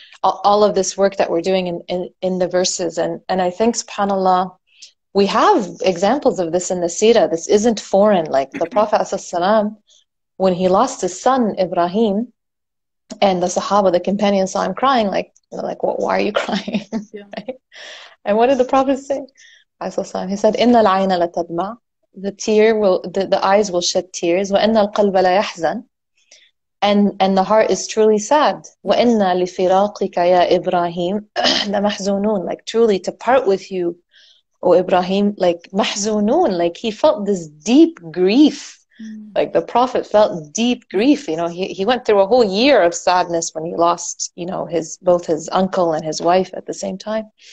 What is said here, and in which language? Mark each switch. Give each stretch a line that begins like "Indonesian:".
English: All of this work that we're doing in the verses. And I think, subhanAllah, we have examples of this in the seerah. This isn't foreign, like the Prophet when he lost his son, Ibrahim, and the Sahaba, the companions, saw him crying, like, they're like, well, why are you crying? Yeah. Right? And what did the Prophet say? He said,
Arabic: إِنَّ الْعَيْنَ لَتَدْمَعْ.
English: The tear will, the eyes will shed tears.
Arabic: وَإِنَّ الْقَلْبَ لَيَحْزَنْ.
English: And the heart is truly sad.
Arabic: وَإِنَّ لِفِرَاقِكَ يَا إِبْرَاهِيمُ لَمَحْزُونُونَ.
English: Like, truly, to part with you, O Ibrahim, like,
Arabic: مَحْزُونُونَ.
English: Like, he felt this deep grief. Like the Prophet felt deep grief, you know, he went through a whole year of sadness when he lost, you know, his both his uncle and his wife at the same time.